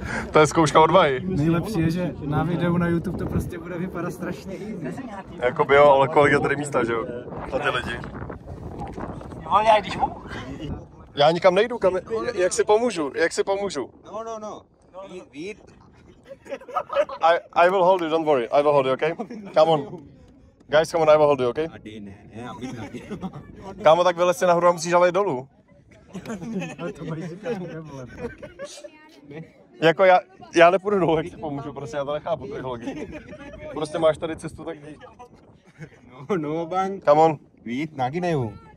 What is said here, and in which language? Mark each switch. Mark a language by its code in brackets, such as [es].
[cs] To je zkouška odvahy. Nejlepší je, že na videu na YouTube to prostě bude vypadat strašně jiný. Jakoby jo, ale kolik je tady místa, že jo? A ty lidi. Volně, když mu? Já nikam nejdu, kam, jak si pomůžu, jak si pomůžu? No. [en] I will hold you, don't worry, I will hold you, okay? Come on. Guys, come on, I will hold you, okay? [cs] Kámo, tak vylez si nahoru a musíš ale jít dolů. Jako já nepůjdu dolů, jak si pomůžu, prostě já to nechápu, tak logi. Prostě máš tady cestu, tak jdi. No, bang. [en] Come on. [cs] Vít, na Guineu.